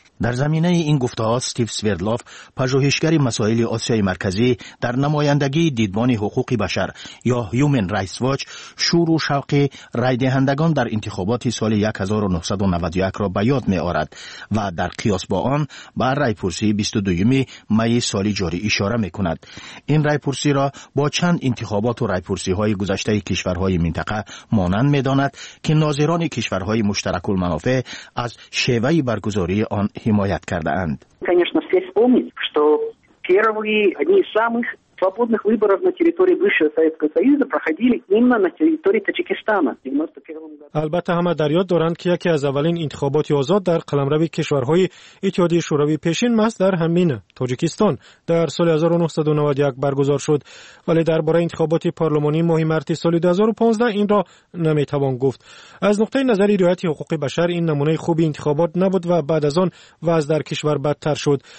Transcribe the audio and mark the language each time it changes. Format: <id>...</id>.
<fa>در زمینه این گفته‌ها استیو سویردلوف، پژوهشگر مسائل آسیای مرکزی در نمایندگی دیدبان حقوق بشر یا هیومن رایتس واچ، شور و شوق رای دهندگان در انتخابات سال 1991 را به یاد می‌آورد و در قیاس با آن به رایپرسی 22 می سال جاری اشاره می‌کند. این رایپرسی را با چند انتخابات و رایپرسی‌های گذشته کشورهای منطقه مانند می‌داند که ناظران کشورهای مشترک المنافع از شیوه برگزاری آن حمایت کرده اند.</fa> <ru>Конечно, все вспомнить, что первые одни из самых свободных выборов на территории бывшего Советского Союза проходили именно на территории Таджикистана в 91 году.</ru> <fa>البته همه در یاد دارند که یکی از اولین انتخابات آزاد در قلمرو کشورهای اتحادیه شوروی پیشین محض در همین تاجیکستان در سال 1991 برگزار شد، ولی درباره انتخابات پارلمانی ماه مارس سال 2015 این را نمیتوان گفت. از نقطه نظر رعایت حقوق بشر این نمونه خوب انتخابات نبود و بعد از آن وضع در کشور بدتر شد.</fa>